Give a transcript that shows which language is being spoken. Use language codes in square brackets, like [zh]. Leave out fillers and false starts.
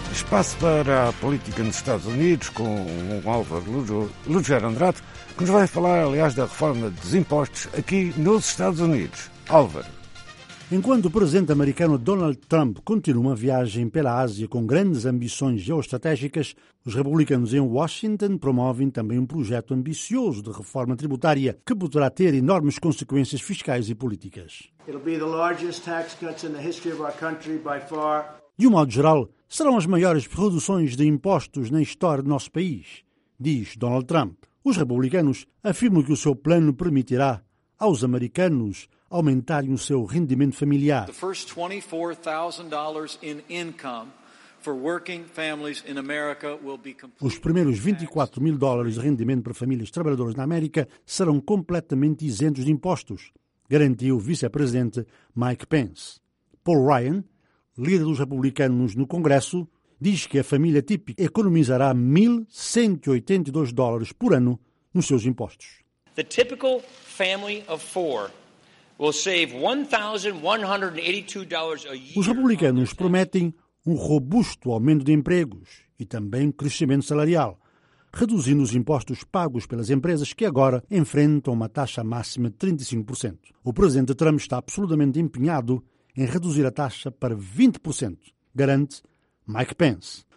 [pt] Passo para a política nos Estados Unidos com o Álvaro Lugero Andrade, que nos vai falar, aliás, da reforma dos impostos aqui nos Estados Unidos. Álvaro. Enquanto o presidente americano Donald Trump continua uma viagem pela Ásia com grandes ambições geoestratégicas, os republicanos em Washington promovem também um projeto ambicioso de reforma tributária que poderá ter enormes consequências fiscais e políticas. [en] It'll be the largest tax cuts in the history of our country by far. [pt] De um modo geral, serão as maiores reduções de impostos na história do nosso país, diz Donald Trump. Os republicanos afirmam que o seu plano permitirá aos americanos aumentarem o seu rendimento familiar. [en] The first $24,000 in income for working families in America will be completely... [pt] Os primeiros 24 mil dólares de rendimento para famílias trabalhadoras na América serão completamente isentos de impostos, garantiu o vice-presidente Mike Pence. Paul Ryan, líder dos republicanos no Congresso, diz que a família típica economizará 1.182 dólares por ano nos seus impostos. [en] The typical family of four will save $1,182 a year. [pt] Os republicanos prometem um robusto aumento de empregos e também crescimento salarial, reduzindo os impostos pagos pelas empresas que agora enfrentam uma taxa máxima de 35%. O presidente Trump está absolutamente empenhado em reduzir a taxa para 20%, garante Mike Pence.